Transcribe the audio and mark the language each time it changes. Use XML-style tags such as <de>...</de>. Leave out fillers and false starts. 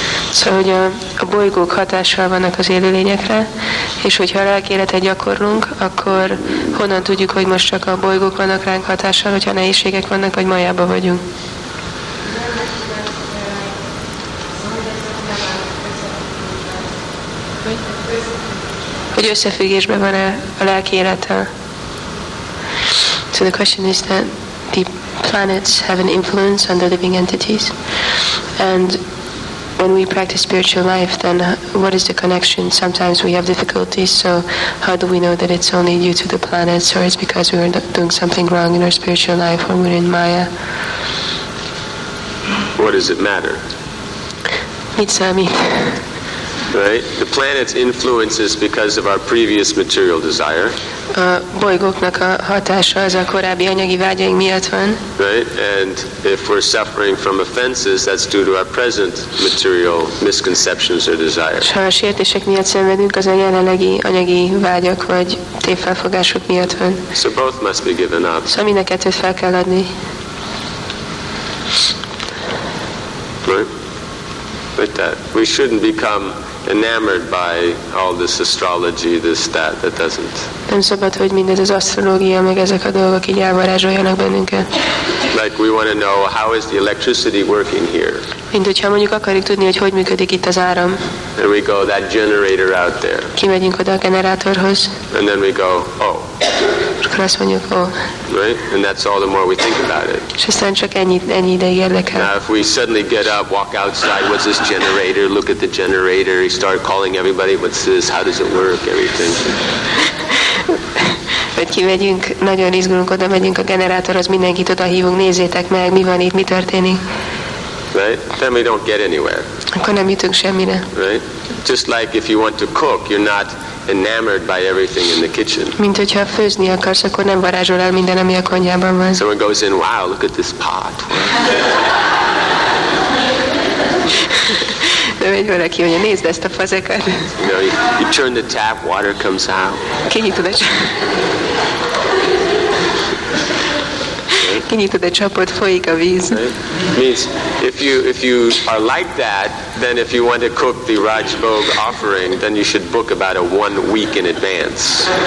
<hu>Szóval, hogy a bolygók hatással vannak az élőlényekre, és hogyha a lelkéletet gyakorlunk, akkor honnan tudjuk, hogy most csak a bolygók vannak ránk hatással, hogyha nehézségek vannak, vagy majában vagyunk. Hogy összefüggésben van-e a lelkélettel?</hu> <en>So the question is that the planets have an influence on the living entities, and when we practice spiritual life, then what is the connection? Sometimes we have difficulties, so how do we know that it's only due to the planets, or it's because we were doing something wrong in our spiritual life, or we're in Maya? What does it matter? It's Ami. Right? The planets influence us because of our previous material desire.</en> <hu>A bolygóknak a hatása az a korábbi anyagi vágyaink miatt van.</hu> <en>Right? And if we're suffering from offenses, that's due to our present material misconceptions or desires.</en> <hu>Ha a sértések miatt szenvedünk, az a jelenlegi anyagi vágyak vagy tévfelfogások miatt van.</hu> <en>So both must be given up.</en> <hu>So mind a kettőt fel kell adni.</hu> <en>Right? But that we shouldn't become enamored by all this astrology, this, that, that doesn't.</en> <hu>Nem szabad, hogy mindez az asztrológia, meg ezek a dolgok így elvarázsoljanak bennünket.</hu> <en>Like we want to know how is the electricity working here.</en> <hu>Mint hogyha mondjuk akarjuk tudni, hogy működik itt az áram.</hu> <en>And we go that generator out there.</en> <hu>Kimegyünk oda a generátorhoz.</hu> <en>And then we go, oh.</en> <hu>És akkor azt mondjuk, oh.</hu> <en>Right? And that's all the more we think about it.</en> <hu>És aztán csak ennyi ideig érdekel.</hu> <en>Now if we suddenly get up, walk outside, what's this generator, look at the generator, we start calling everybody, what's this, how does it work, everything.</en> <hu>Hogy kimegyünk, nagyon izgulunk, oda megyünk a generátorhoz, mindenkit oda hívunk, nézzétek meg, mi van itt, mi történik.</hu> <en>Right? Then we don't get anywhere.</en> <hu>Akkor nem jutunk semmire.</hu> <en>Right? Just like if you want to cook, you're not enamored by everything in the kitchen.</en> <hu>Mint hogyha főzni akarsz, akkor nem varázsol el minden, ami a konyhában van.</hu> <en>Someone goes in, wow, look at this pot.</en> <hu>De megy valaki, hogy nézd ezt a fazekat.</hu> <en>You turn the tap, water comes out.</en> <hu>Kinyitod a kinyitod a csapot, folyik a víz.</hu> <en>Right? Means if you are like that, then if you want to cook the Rajbhog offering, then you should book about a 1 week in advance.</en>